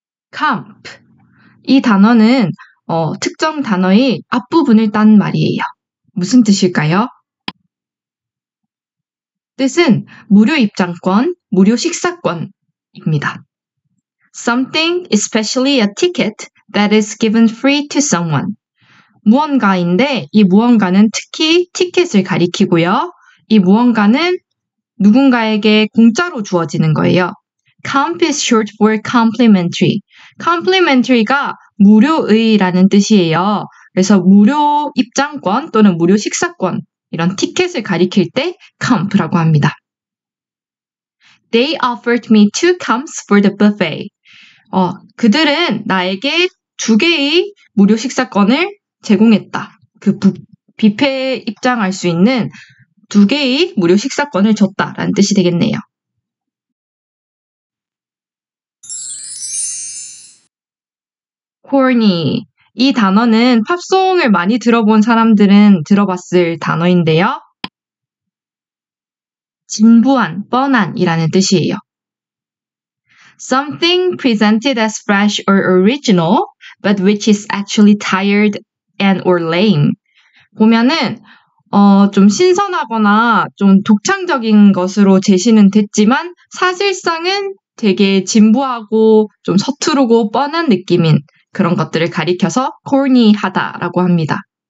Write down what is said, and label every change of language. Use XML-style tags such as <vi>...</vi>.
<ko>캠프. 이 단어는 특정 단어의 앞부분을 딴 말이에요. 무슨 뜻일까요? 뜻은 무료 입장권, 무료 식사권입니다.</ko> <en>Something, especially a ticket that is given free to someone.</en> <ko>무언가인데 이 무언가는 특히 티켓을 가리키고요. 이 무언가는 누군가에게 공짜로 주어지는 거예요.</ko> <en>Comp is short for complimentary. Complimentary가</en> <ko>무료의라는 뜻이에요. 그래서 무료 입장권 또는 무료 식사권 이런 티켓을 가리킬 때 comp라고 합니다.</ko> <en>They offered me 2 comps for the buffet.</en> <ko>그들은 나에게 두 개의 무료 식사권을 제공했다. 그 뷔페 입장할 수 있는 두 개의 무료 식사권을 줬다라는 뜻이 되겠네요. 코니. 이 단어는 팝송을 많이 들어본 사람들은 들어봤을 단어인데요. 진부한, 뻔한이라는 뜻이에요.</ko> <en>Something presented as fresh or original, but which is actually tired and or lame.</en> <ko>보면은 좀 신선하거나 좀 독창적인 것으로 제시는 됐지만 사실상은 되게 진부하고 좀 서투르고 뻔한 느낌인 그런 것들을 가리켜서 corny하다라고 합니다.</ko>